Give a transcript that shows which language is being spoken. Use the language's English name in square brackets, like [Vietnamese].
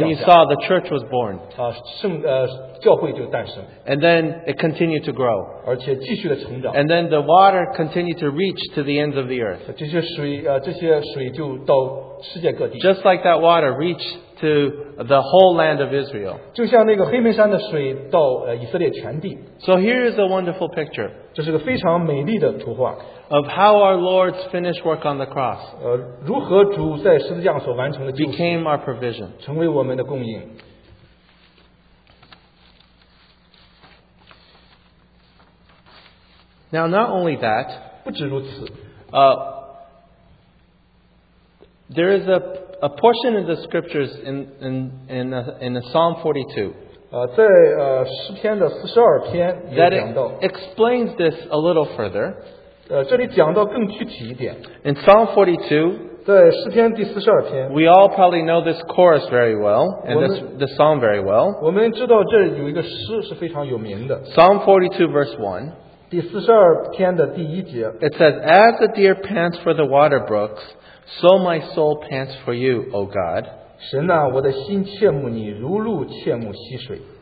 [English] 下。And you saw the church was born. [Chinese] 教会就诞生。 [English] And then it continued to grow. [Chinese] 而且继续的成长。 [English] And then the water continued to reach to the ends of the earth. [Chinese] 这些水就到世界各地。 [English] Just like that water reached to the whole land of Israel. [Chinese] 就像那个黑门山的水到以色列全地。 [English] So here is a wonderful picture. [Chinese] 这是个非常美丽的图画。 [English] Of how our Lord's finished work on the cross. [Chinese] 如何主在十字架所完成的救赎。 [English] Became our provision. [Chinese] 成为我们的供应。 [English] Now not only that. [Chinese] 不止如此。 [English] There is a portion of the scriptures in Psalm 42. [Chinese] 在诗篇的42篇也讲到。 [English] That explains this a little further. [Chinese] 这里讲到更具体一点。 [English] In Psalm 42, [Chinese] 在诗篇第42篇。 [English] We all probably know this chorus very well and this song very well. [Chinese] 我们知道这有一个诗是非常有名的。 [English] Psalm 42 verse 1. [Chinese] 第42篇的第一节。 [English] It says, "As a deer pants for the water brooks, so my soul pants for you, O God." [Chinese] 神啊，我的心切慕你，如鹿切慕溪水。